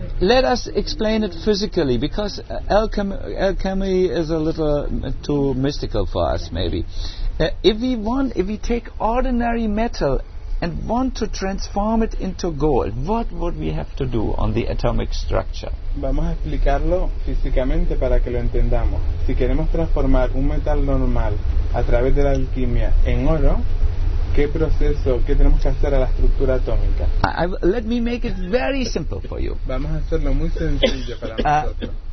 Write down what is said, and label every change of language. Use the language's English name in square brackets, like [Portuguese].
[English] let us explain it physically, because alchemy is a little too mystical for us, maybe. If we take ordinary metal and want to transform it into gold, what would we have to do on the atomic structure? [Spanish] Vamos a explicarlo físicamente para que lo entendamos. Si queremos transformar un metal normal a través de la alquimia en oro, ¿qué proceso, qué tenemos que hacer a la estructura atómica? [English] Let me make it very simple for you. [Spanish] Vamos a hacerlo muy sencillo para nosotros.